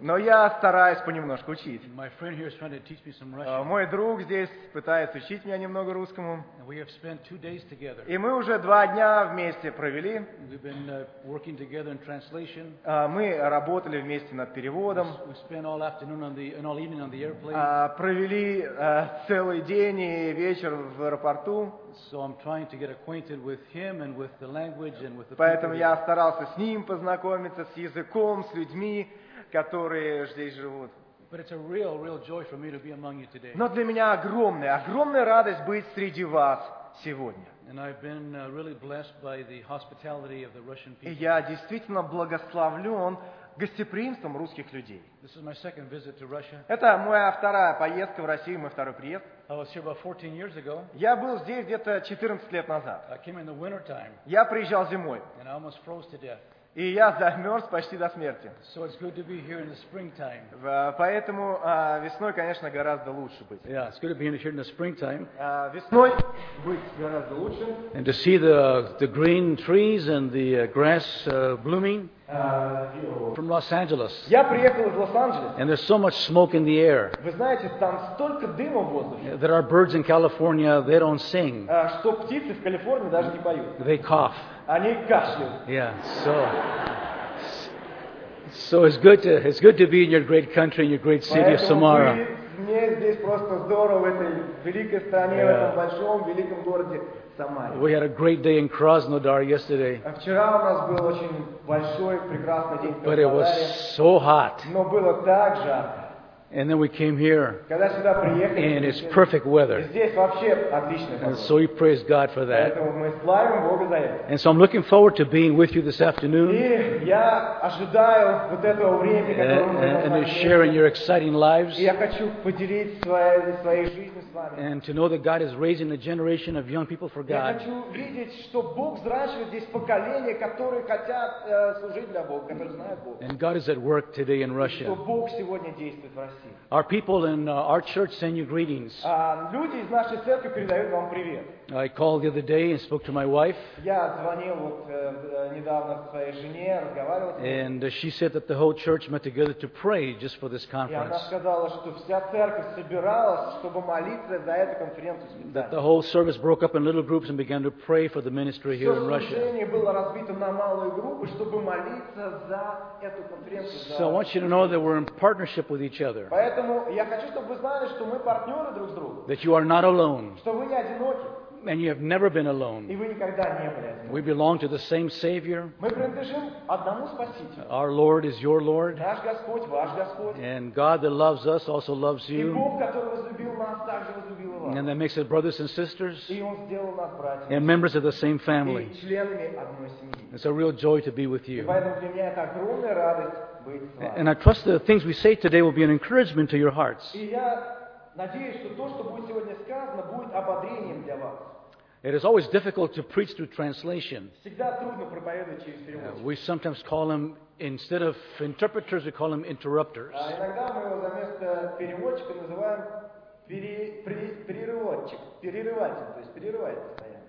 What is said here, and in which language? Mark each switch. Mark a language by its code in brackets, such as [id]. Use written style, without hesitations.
[ru] Но я стараюсь понемножку учить. [en] My friend here is trying to teach me some Russian. [ru] Мой друг здесь пытается учить меня немного русскому. [en] And we have spent 2 days together. [ru] И мы уже 2 дня вместе провели. [en] We've been working together in translation. [ru] Мы работали вместе над переводом. [en] We spent all afternoon on the, and all evening on the airplane. [ru] Провели целый день и вечер в аэропорту. [en] So I'm trying to get acquainted with him and with the language and with the people. [ru] Поэтому я старался с ним познакомиться, с языком, с людьми, которые здесь живут. [en] But it's a real, real joy for me to be among you today. [ru] Но для меня огромная, огромная радость быть среди вас сегодня. [en] And I've been really blessed by the hospitality of the Russian people. [ru] И я действительно благословлен гостеприимством русских людей. [en] This is my second visit to Russia. [ru] Это моя вторая поездка в Россию, мой второй приезд. [en] I was here about 14 years ago. [ru] Я был здесь где-то 14 лет назад. [en] I came in the winter time. [ru] Я приезжал зимой. [en] And I almost froze to death. [ru] И я замерз почти до смерти. [en] So it's good to be here in the springtime. [ru] Поэтому весной, конечно, гораздо лучше быть. [en] Yeah, it's good to be here in the springtime. [ru] Весной быть гораздо лучше. [en] And to see the green trees and the grass blooming. From Los Angeles. [ru] Я приехал из Лос-Анджелеса. [en] And there's so much smoke in the air. [ru] Вы знаете, там столько дыма в воздухе. [en] That our birds in California, they don't sing. [ru] Что птицы в Калифорнии даже не поют. [en] They cough. [ru] Они кашляют. [en] Yeah, so it's good to be in your great country, in your great city of Samara. [ru] Мне здесь просто здорово в этой великой стране, в этом большом великом городе. [en] We had a great day in Krasnodar yesterday. [ru] Вчера у нас был очень большой прекрасный день в Краснодаре. [en] But it was so hot. [ru] Но было так жарко. [en] And then we came here. [ru] Когда сюда приехали. [en] And it's perfect weather. [ru] Здесь вообще отличная погода. [en] And so we praise God for that. [ru] Поэтому мы славим Бога за это. [en] And so I'm looking forward to being with you this afternoon. [ru] И я ожидаю вот этого времени, которое мы будем. [en] And sharing your exciting lives. [ru] Я хочу поделиться своей жизнью. [en] And to know that God is raising a generation of young people for God. [ru] Я хочу видеть, что Бог взращивает здесь поколение, которые хотят служить для Бога, которые знают Бога. [en] And God is at work today in Russia. [ru] Что Бог сегодня действует в России. [en] Our people in our church send you greetings. [ru] Люди из нашей церкви передают вам привет. [en] I called the other day and spoke to my wife. [ru] Я звонил вот недавно своей жене, разговаривал с ней. [en] And she said that the whole church met together to pray just for this conference. [ru] И она сказала, что вся церковь собиралась, чтобы молиться за эту конференцию специально. [en] That the whole service broke up in little groups and began to pray for the ministry here in Russia. [ru] Все служение было разбито на малые группы, чтобы молиться за эту конференцию. [en] So I want you to know that we're in partnership with each other. [ru] Поэтому я хочу, чтобы вы знали, что мы партнеры друг с другом. [en] That you are not alone. [ru] Что вы не одиноки. [en] And you have never been alone. [ru] И вы никогда не были одни. [en] We belong to the same Savior. [ru] Мы принадлежим одному Спасителю. [en] Our Lord is your Lord. [ru] Наш Господь, ваш Господь. [en] And God that loves us also loves you. [ru] И Бог, который возлюбил нас, также возлюбил вас. [en] And that makes us brothers and sisters. [ru] И Он сделал нас братьями. [en] And members of the same family. [ru] И членами одной семьи. [en] It's a real joy to be with you. [ru] И поэтому для меня это огромная радость быть с вами. [en] And I trust the things we say today will be an encouragement to your hearts. [ru] И я надеюсь, что то, что будет сегодня сказано, будет ободрением для вас. [en] It is always difficult to preach through translation. [ru] Всегда трудно проповедовать через переводчик. [en] We sometimes call them, instead of interpreters, we call them interrupters. [ru] Иногда мы его вместо переводчика называем перерывчик, перерыватель, то есть перерывает постоянно.